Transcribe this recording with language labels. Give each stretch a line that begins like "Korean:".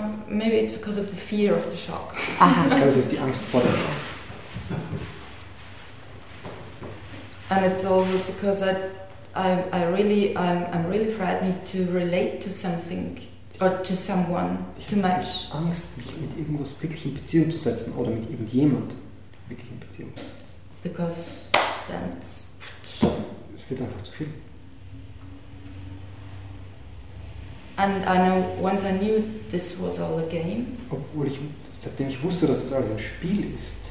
English: Maybe it's because of the fear of the shock. Because it's the
German: angst vor dem Schock.
English: And it's also because I'm really frightened to relate to something or to someone too much.
German: Angst, mich mit irgendwas wirklich in Beziehung zu setzen oder mit irgendjemand wirklich in Beziehung zu setzen.
English: Because then it's.
German: Es wird einfach zu viel.
English: And I know once I knew this was all a game.
German: Obwohl ich seitdem ich wusste, dass es alles ein Spiel ist.